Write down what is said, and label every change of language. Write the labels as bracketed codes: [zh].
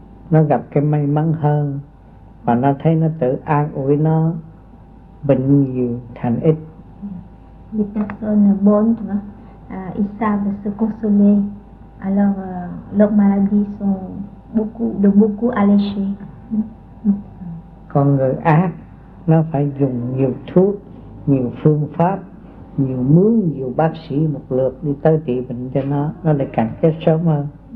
[vi] Nó gặp cái may mắn hơn và nó thấy nó tự an ủi nó bệnh nhiều thành ít. [fr] Les personnes bonnes, ils savent se consoler, alors leurs maladies sont beaucoup alléchées. [vi] Còn người ác, nó phải dùng nhiều thuốc, nhiều phương pháp, nhiều mướn nhiều bác sĩ một lượt đi tới trị bệnh cho nó lại càng chết sớm hơn.